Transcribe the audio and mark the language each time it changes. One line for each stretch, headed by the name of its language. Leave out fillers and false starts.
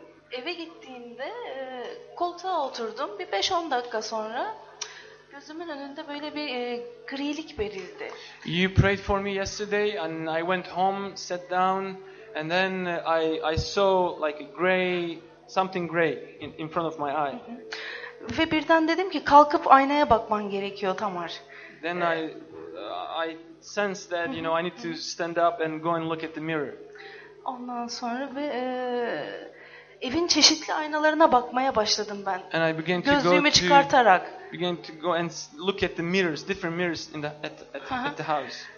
Turkish: Eve gittiğimde koltuğa oturdum. Bir 5-10 dakika sonra gözümün önünde böyle bir grilik belirdi.
English: You prayed for me yesterday and I went home, sat down and then I saw like a gray, something gray in front of my eye.
Turkish: Ve birden dedim ki kalkıp aynaya bakman gerekiyor Tamar.
English: Then I sense that, you know, I need to stand up and go and look at the mirror.
Turkish: Ondan sonra ve evin çeşitli aynalarına bakmaya başladım ben.
English: And I began to
Turkish: gözlüğümü
English: go
Turkish: çıkartarak.
English: Began to go and look at the mirrors, different mirrors in the at the house.